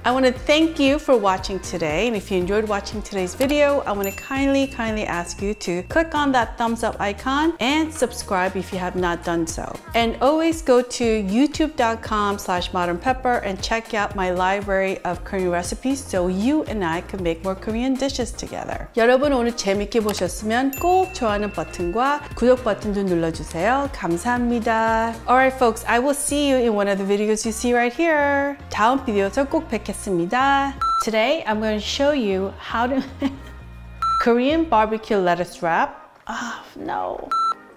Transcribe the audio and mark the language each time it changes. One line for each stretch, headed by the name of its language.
English: I want to thank you for watching today. And if you enjoyed watching today's video, I want to kindly ask you to click on that thumbs up icon and subscribe if you have not done so. And always go to youtube.com/modernpepper and check out my library of Korean recipes so you and I can make more Korean dishes together.
Korean: 여러분 오늘 재밌게 보셨으면 꼭 좋아하는 버튼과 구독 버튼도 눌러주세요. 감사합니다.
English: Alright folks, I will see you in one of the videos you see right here.
Korean: 다음 비디오에서 꼭 뵙겠습니다.
English: Today, I'm going to show you how to... Korean barbecue lettuce wrap? Oh, no.